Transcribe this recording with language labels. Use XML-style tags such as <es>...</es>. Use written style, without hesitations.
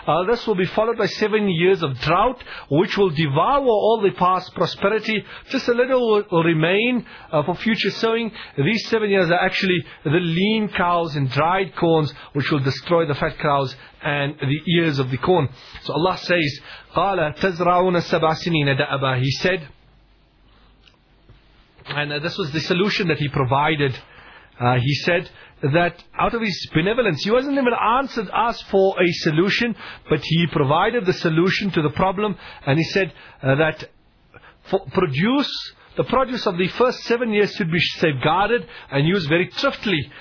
<en>This will be followed by 7 years of drought, which will devour all the past prosperity. Just a little will remain for future sowing. These 7 years are actually the lean cows and dried corns, which will destroy the fat cows and the ears of the corn.</en> <ar>So Allah says, قَالَ تَزْرَعُونَ سَبْعَ سِنِينَ دَأَبَى.</ar> <en>He said, and this was the solution that he provided. He said that out of his benevolence, he wasn't even asked for a solution, but he provided the solution to the problem, and he said that the produce of the first 7 years should be safeguarded and used very thriftily.</en>